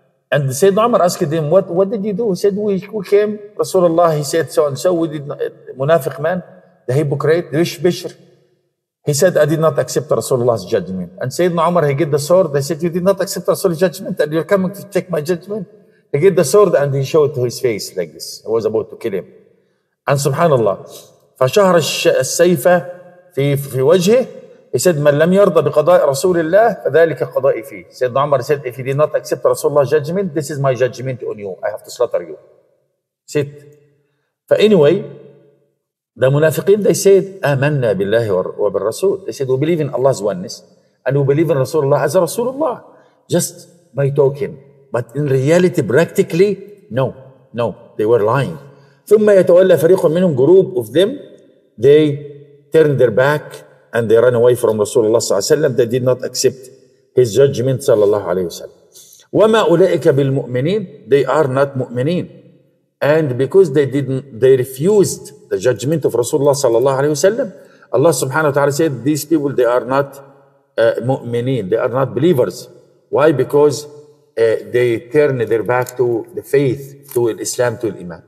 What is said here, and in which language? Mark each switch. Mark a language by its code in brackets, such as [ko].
[en] And said, Umar asked him, what did you do? He said, we came, Rasulullah, he said, so and so, we did not, munafiq man, the hypocrite, the Bishr. He said, I did not accept Rasulullah's judgment. And Sayyidina Umar, he get the sword. They said, you did not accept Rasulullah's judgment and you're coming to take my judgment. He get the sword and he showed to his face like this. He was about to kill him. And subhanAllah, [ar] فشهر السيفة في وجهه, [en] he said, [ar] من لم يرضى بقضاء رسول الله فذلك قضاء فيه. [en] Said Umar, said, if you did not accept Rasulullah's judgment, this is my judgment on you. I have to slaughter you. Said, but anyway, the munafiqin, they said, [ar] آمنا بالله وبالرسول. [en] They said, we believe in Allah's oneness and we believe in Rasulullah as a Rasulullah, just by talking. But in reality, practically, no, they were lying. [ar] ثم يتولى فريق منهم, [en] group of them, they turned their back and they ran away from Rasulullah [ar] صلى الله عليه وسلم. [en] They did not accept his judgment [ar] صلى الله عليه وسلم. وما أولئك بالمؤمنين, [en] they are not [ar] مؤمنين. [en] And because they refused the judgment of Rasulullah صلى الله عليه وسلم, Allah subhanahu wa ta'ala said, these people, they are not mu'mineen, they are not believers. Why? Because they turn their back to the faith, to Islam, to Iman.